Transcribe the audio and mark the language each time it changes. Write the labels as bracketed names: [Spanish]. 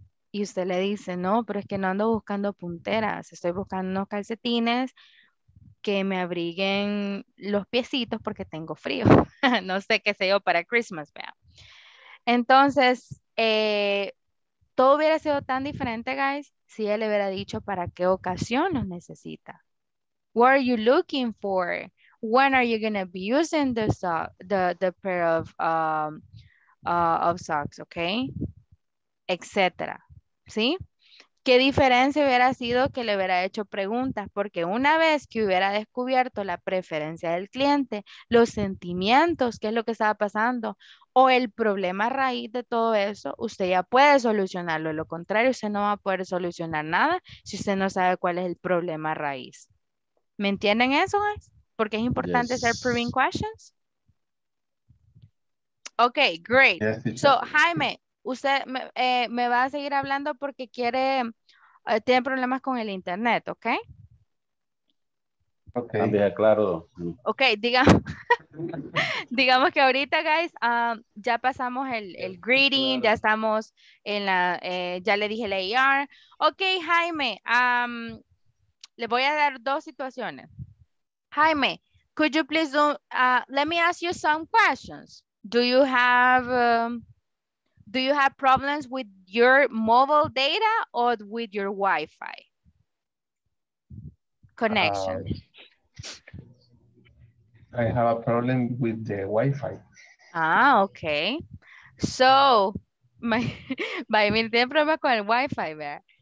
[Spanish] Y usted le dice, no, pero es que no ando buscando punteras, estoy buscando unos calcetines que me abriguen los piecitos porque tengo frío. No sé qué sé yo para Christmas, vea. Entonces, todo hubiera sido tan diferente, guys, si él le hubiera dicho para qué ocasión los necesita. [English] What are you looking for? When are you going to be using the pair of socks, okay? [Spanish] Etcétera, ¿sí? ¿Qué diferencia hubiera sido que le hubiera hecho preguntas? Porque una vez que hubiera descubierto la preferencia del cliente, los sentimientos, qué es lo que estaba pasando, o el problema a raíz de todo eso, usted ya puede solucionarlo. Lo contrario, usted no va a poder solucionar nada si usted no sabe cuál es el problema a raíz. ¿Me entienden eso, guys? Porque es importante hacer proving questions. Ok, great. Yes, so, Jaime, usted me va a seguir hablando porque quiere, tiene problemas con el internet, ¿ok? Ok, claro. Ok, digamos que ahorita, guys, ya pasamos el greeting, claro. Ya estamos en la, ya le dije la AR. Ok, Jaime, le voy a dar dos situaciones. [English] Jaime, could you please do, let me ask you some questions. Do you have problems with your mobile data or with your Wi-Fi connection? I have a problem with the Wi-Fi. Ah, okay. [Spanish] So, my me tiene problema con el Wi-Fi, ¿verdad?